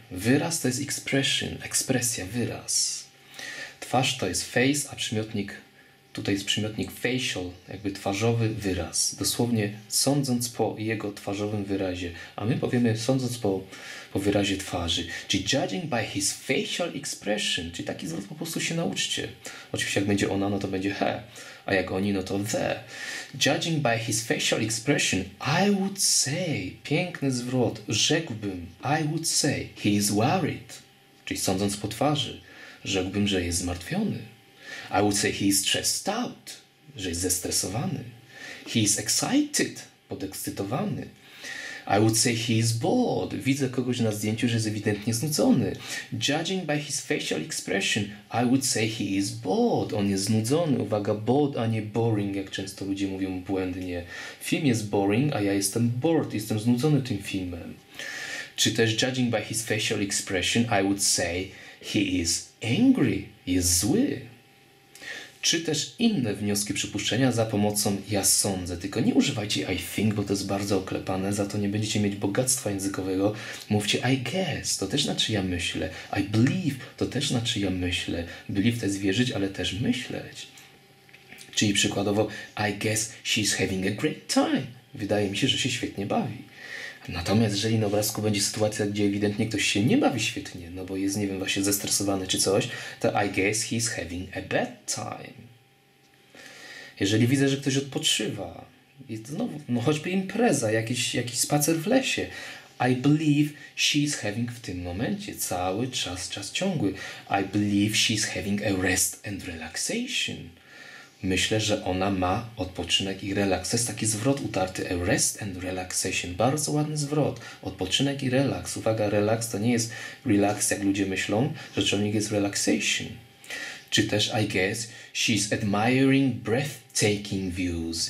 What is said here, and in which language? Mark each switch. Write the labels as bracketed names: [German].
[Polish] Wyraz to jest expression, ekspresja, wyraz. Twarz to jest face, a przymiotnik, tutaj jest przymiotnik facial, jakby twarzowy wyraz. Dosłownie sądząc po jego twarzowym wyrazie. A my powiemy sądząc po wyrazie twarzy. [English] Czyli judging by his facial expression. [Polish] Czyli taki zwrot po prostu się nauczcie. Oczywiście jak będzie ona, no to będzie he. A jak oni, no to the. [English] Judging by his facial expression, I would say, [Polish] piękny zwrot, rzekłbym, [English] I would say, he is worried. [Polish] Czyli sądząc po twarzy, rzekłbym, że jest zmartwiony. [English] I would say, he is stressed out, [Polish] że jest zestresowany. [English] He is excited, [Polish] podekscytowany. [English] I would say he is bored. [Polish] Widzę kogoś na zdjęciu, że jest ewidentnie znudzony. [English] Judging by his facial expression, I would say he is bored. [Polish] On jest znudzony. Uwaga, bored, a nie boring, jak często ludzie mówią błędnie. Film jest boring, a ja jestem bored. Jestem znudzony tym filmem. Czy też [English] judging by his facial expression, I would say he is angry. [Polish] Jest zły. Czy też inne wnioski, przypuszczenia za pomocą ja sądzę. Tylko nie używajcie I think, bo to jest bardzo oklepane. Za to nie będziecie mieć bogactwa językowego. Mówcie [English] I guess, [Polish] to też znaczy ja myślę. [English] I believe, [Polish] to też znaczy ja myślę. Believe to jest wierzyć, ale też myśleć. Czyli przykładowo [English] I guess she's having a great time. [Polish] Wydaje mi się, że się świetnie bawi. Natomiast jeżeli na obrazku będzie sytuacja, gdzie ewidentnie ktoś się nie bawi świetnie, no bo jest, nie wiem, właśnie zestresowany czy coś, to [English] I guess he's having a bad time. [Polish] Jeżeli widzę, że ktoś odpoczywa, znowu, no choćby impreza, jakiś spacer w lesie, [English] I believe she's having [Polish] w tym momencie, cały czas ciągły. [English] I believe she's having a rest and relaxation. [Polish] Myślę, że ona ma odpoczynek i relaks. To jest taki zwrot utarty. [English] A rest and relaxation. [Polish] Bardzo ładny zwrot. Odpoczynek i relaks. Uwaga, relaks to nie jest relax, jak ludzie myślą. Rzeczownik jest relaxation. Czy też [English] I guess she's admiring breathtaking views.